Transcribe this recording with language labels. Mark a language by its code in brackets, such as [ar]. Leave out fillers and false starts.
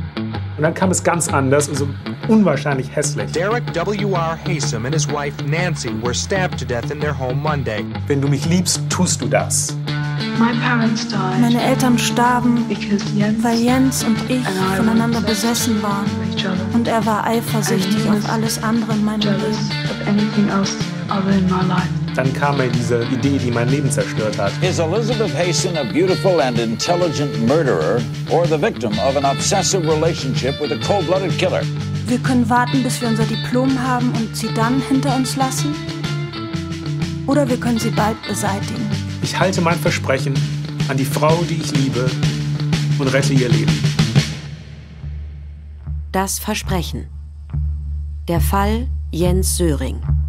[de] Und dann kam es ganz anders und so unwahrscheinlich hässlich. [en] Derek W.R. Haysom and his wife Nancy were stabbed to death in their home Monday. [de] Wenn du mich liebst, tust du das. [en] My parents died. [de] Meine Eltern starben, weil Jens und ich voneinander besessen waren. Und er war eifersüchtig auf alles andere in meinem Leben. Dann kam mir diese Idee, die mein Leben zerstört hat. [en] Is Elizabeth Haysom a beautiful and intelligent murderer or the victim of an obsessive relationship with a cold-blooded killer? [de] Wir können warten, bis wir unser Diplom haben und sie dann hinter uns lassen. Oder wir können sie bald beseitigen. Ich halte mein Versprechen an die Frau, die ich liebe, und rette ihr Leben. Das Versprechen. Der Fall Jens Söhring.